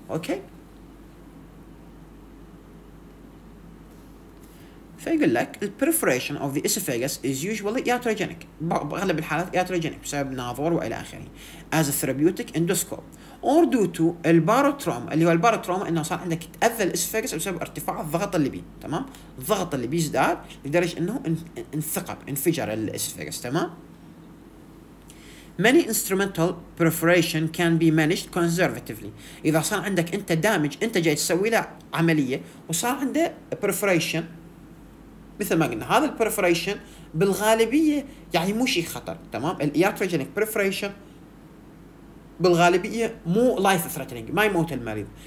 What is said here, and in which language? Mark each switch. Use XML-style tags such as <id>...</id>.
<ar>أوكي، فيقول لك</ar> <en>the perforation of the esophagus is usually iatrogenic،</en> <ar>بغلب الحالات iatrogenic بسبب ناظور وإلى آخره،</ar> <en>as a therapeutic endoscope or due to</en> <ar>البارتروما، اللي هو البارتروما إنه صار عندك تأذى الاسفنكس بسبب ارتفاع الضغط اللي بيه، تمام، الضغط اللي بيه ازداد لدرجة إنه انثقب انفجر الاسفنكس، تمام.</ar> <en>Many instrumental perforation can be managed conservatively.</en> <ar>إذا صار عندك أنت دامج، أنت جاي تسوي له عملية وصار عنده perforation، مثل ما قلنا هذا البرفوريشن بالغالبيه يعني مو شيء خطر، تمام، الياتروجينيك برفوريشن بالغالبيه مو لايف ثريتنينج، ما يموت المريض.</ar>